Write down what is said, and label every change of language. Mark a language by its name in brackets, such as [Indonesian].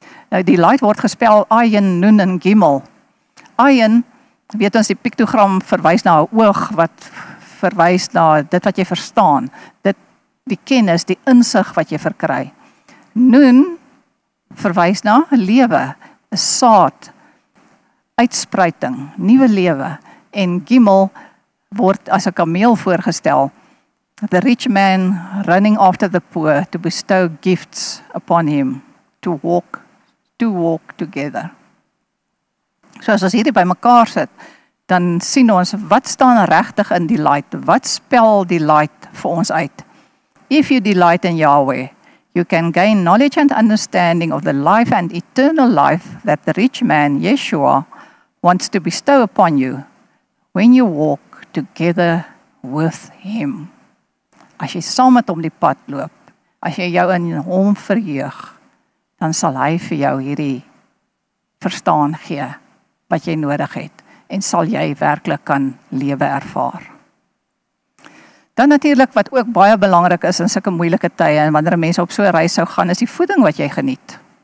[Afrikaans] Nou, die light word gespel Ayin, Nun en Gimel. Ayin, weet ons, die piktogram verwys na 'n oog, wat verwys na dit wat jy verstaan, dit die kennis, die insig wat jy verkry. Nun verwys na 'n lewe, 'n saad, uitspruiting, nuwe lewe. En Gimel word as 'n kameel voorgestel. [English] The rich man running after the poor to bestow gifts upon him, to walk together. [Afrikaans] So as ons hierdie by mekaar sit, dan sien ons, wat staan regtig in die light? Wat spel die light vir ons uit? [English] If you delight in Yahweh, you can gain knowledge and understanding of the life and eternal life that the rich man, Yeshua, wants to bestow upon you when you walk together with him. [Afrikaans] As jy saam met hom die pad loop, as jy jou in hom verheug, dan sal hy vir jou hierdie verstaan gee wat jy nodig het en sal jy werklik kan lewe ervaar. Dan natuurlik wat ook baie belangrik is in sulke moeilike tye en wanneer mense op so 'n reis sou gaan, is die voeding wat jy geniet.